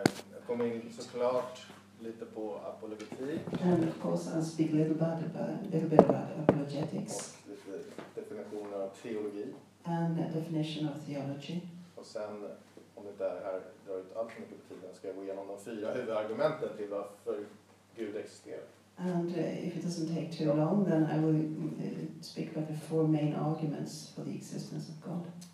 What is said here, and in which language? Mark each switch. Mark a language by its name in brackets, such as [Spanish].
[Swedish] Jag kom in såklart lite på apologetik. [English] And of course I speak a little bit about apologetics. [Swedish] Och lite definitioner av teologi. [English] And a definition of theology. [Swedish] Och sen, om det där här drar ut allt för mycket på tiden, ska jag gå igenom de fyra huvudargumenten till varför Gud existerar. [English] And if it doesn't take too long, then I will speak about the four main arguments for the existence of God.